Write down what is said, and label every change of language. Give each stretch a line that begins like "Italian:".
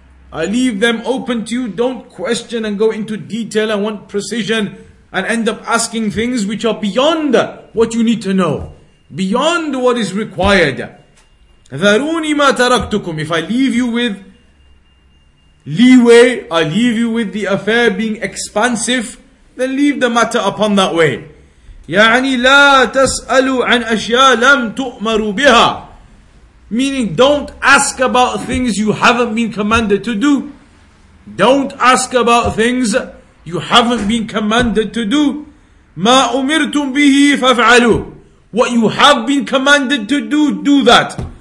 English: I leave them open to you. Don't question and go into detail and want precision and end up asking things which are beyond what you need to know. Beyond what is required.
Arabic: ذَرُونِي مَا تَرَكْتُكُمْ.
English: If I leave you with leeway, I leave you with the affair being expansive, then leave the matter upon that way.
Arabic: يعني لا تسألوا عن أشياء لم تؤمروا بها.
English: Meaning, don't ask about things you haven't been commanded to do. Don't ask about things you haven't been commanded to do.
Arabic: ما أمرتم به فافعلوا.
English: What you have been commanded to do, do that.